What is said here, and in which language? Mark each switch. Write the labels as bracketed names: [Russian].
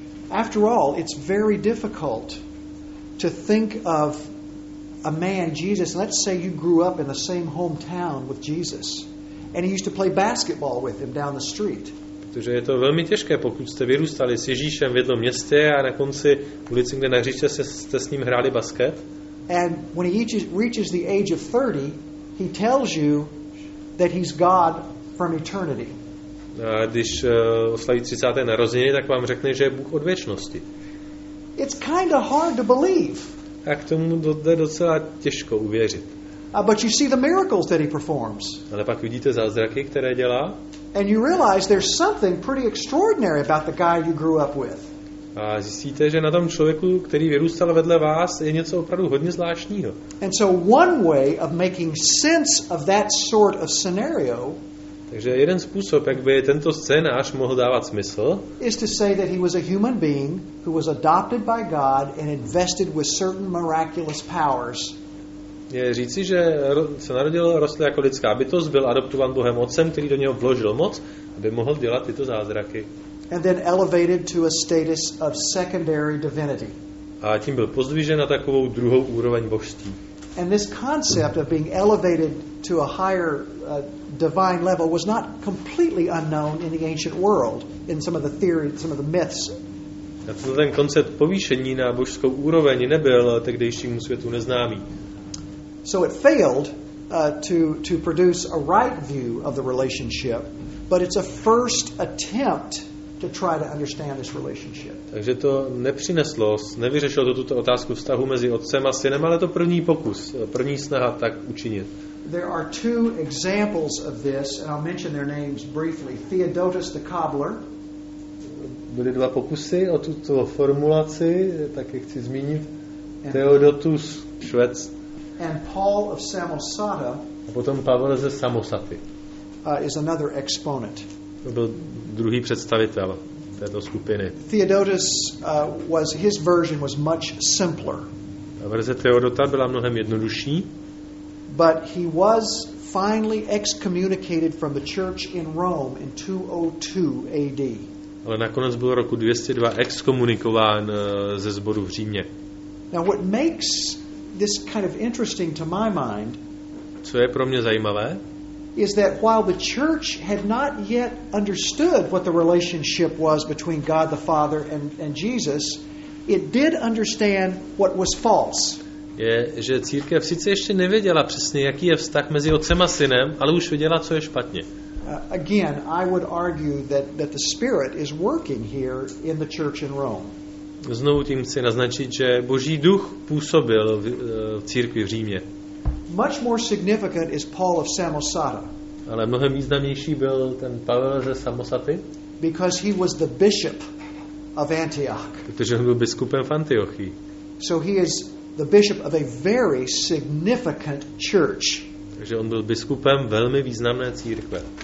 [English] After all, it's very difficult to think of a man Jesus, let's say you grew up in the same hometown with Jesus and he used to play basketball with him down the street. [Czech] Protože je to velmi těžké, pokud jste vyrůstali s Ježíšem v jednom městě a na konci ulice, kde na hřiště jste s ním hráli basket. [English] And when he reaches the age of 30, he tells you that he's God from eternity. [Czech] A když oslaví 30. narozeniny, tak vám řekne, že je Bůh od věčnosti. [English] It's kind of hard to believe. [Czech] A k tomu jde docela těžko uvěřit. [English] But you see the miracles that he performs. [Czech] Ale pak vidíte zázraky, které dělá. [English] And you realize there's something pretty extraordinary about the guy you grew up with. [Czech] A zjistíte, že na tom člověku, který vyrůstal vedle vás, je něco opravdu hodně zvláštního. [English] And so one way of making sense of that sort of scenario. [Czech] Takže jeden způsob, jak by tento scénář mohl dávat smysl, [English] is to say that he was a human being who was adopted by God and invested with certain miraculous powers. [Czech] Je říci, že se narodil, rostl jako lidská bytost, byl adoptován Bohem Otcem, který do něho vložil moc, aby mohl dělat tyto zázraky. [English] and then elevated to a status of secondary divinity. [Czech] A tím byl pozdvižen na takovou druhou úroveň božství. [English] And this concept of being elevated to a higher divine level was not completely unknown in the ancient world in some of the theories, some of the myths. [Czech] A ten koncept povýšení na božskou úroveň nebyl tehdejšímu světu neznámý. [English] So it failed to produce a right view of the relationship, but it's a first attempt to try to understand this relationship. [Czech] Takže to nepřineslo, nevyřešilo to tuto otázku vztahu mezi otcem a synem, ale to první pokus, první snaha tak učinit. [English] There are two examples of this, and I'll mention their names briefly. Theodotus the cobbler. [Czech] Byly dva pokusy o tuto formulaci, tak je chci zmínit. Theodotus Švec. [English] And Paul of Samosata. [Czech] A potom Pavel ze Samosaty. [English] Is another exponent. [Czech] To byl druhý představitel této skupiny. [English] Theodotus was his version was much simpler. [Czech] A verze Theodota byla mnohem jednodušší. [English] But he was finally excommunicated from the church in Rome in 202 AD. [Czech] Ale nakonec byl roku 202 exkomunikován ze sboru v Římě. [English] Now what makes this kind of interesting to my mind, [Czech] co je pro mě zajímavé, [English] is that while the church had not yet understood what the relationship was between God the Father and Jesus, it did understand what was false. [Czech] Je, že církev sice ještě nevěděla přesně, jaký je vztah mezi otcem a synem, ale už věděla, co je špatně. [English] Again, I would argue that the Spirit is working here in the church in Rome. [Czech] Znovu tím chci naznačit, že Boží duch působil v církvi v Římě. [English] Much more significant is Paul of Samosata. [Czech] Ale mnohem významnější byl ten Pavel ze Samosaty. [English] Because he was the bishop of Antioch. [Czech] Protože on byl biskupem v Antiochii. [English] So he is the bishop of a very significant church. [Czech] Takže on byl biskupem velmi významné církve.